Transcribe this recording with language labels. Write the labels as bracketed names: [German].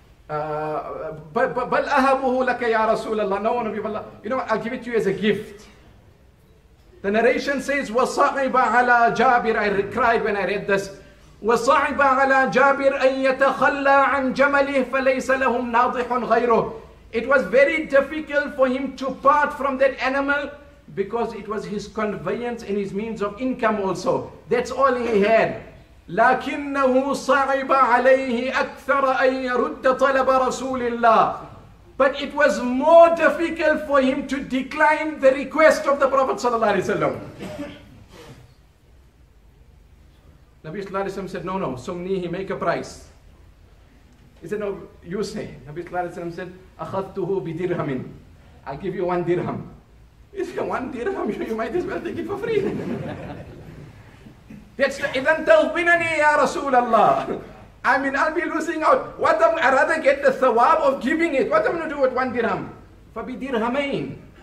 [Arabic] بل أهبه لك يا رسول الله. [English] No one will be Allah. You know what? I'll give it to you as a gift. The narration says, [Arabic] وصعب على جابر. [English] I cried when I read this. [Arabic] وصعب على جابر أن يتخلى عن جمله فليس لهم ناضح غيره. [English] It was very difficult for him to part from that animal because it was his conveyance and his means of income also. That's all he had. [Arabic] لكنه صعب عليه أكثر أن يرد طلب رسول الله. [English] But it was more difficult for him to decline the request of the Prophet صلى الله عليه وسلم. Nabi صلى الله عليه وسلم said, no, سمنيه, make a price. He said, no, you say. Nabi صلى الله عليه وسلم said, [Arabic] أخذته بدرهم. [English] I'll give you one dirham. He said, one dirham, you might as well take it for free. That's [Arabic] إِذَنْ تَغْبِنَنِي يَا رَسُولَ اللَّهِ. [English] I mean, I'll be losing out. What am I rather get the thawab of giving it? What am I going to do with one dirham? [Arabic] فَبِدِرْهَمَيْنِ.